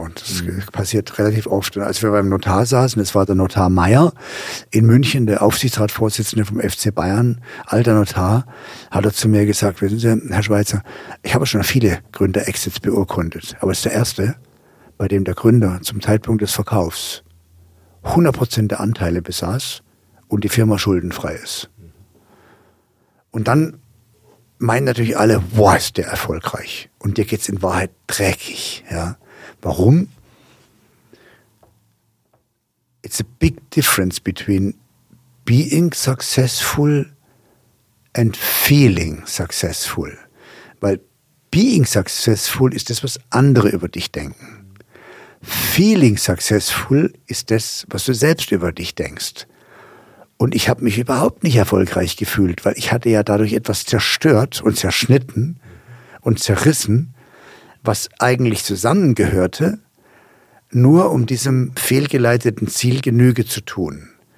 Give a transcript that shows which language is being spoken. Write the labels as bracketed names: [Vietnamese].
[German] Und das passiert relativ oft. Und als wir beim Notar saßen, das war der Notar Meier in München, der Aufsichtsratsvorsitzende vom FC Bayern, alter Notar, hat er zu mir gesagt, wissen Sie, Herr Schweizer, ich habe schon viele Gründer-Exits beurkundet, aber es ist der erste, bei dem der Gründer zum Zeitpunkt des Verkaufs 100% der Anteile besaß und die Firma schuldenfrei ist. Und dann meinen natürlich alle, boah, ist der erfolgreich. Und dir geht's in Wahrheit dreckig. Ja? Warum? [English] It's a big difference between being successful and feeling successful. [German] Weil [English] being successful [German] ist das, was andere über dich denken. [English] Feeling successful [German] ist das, was du selbst über dich denkst. Und ich habe mich überhaupt nicht erfolgreich gefühlt, weil ich hatte ja dadurch etwas zerstört und zerschnitten und zerrissen, was eigentlich zusammengehörte, nur um diesem fehlgeleiteten Ziel Genüge zu tun.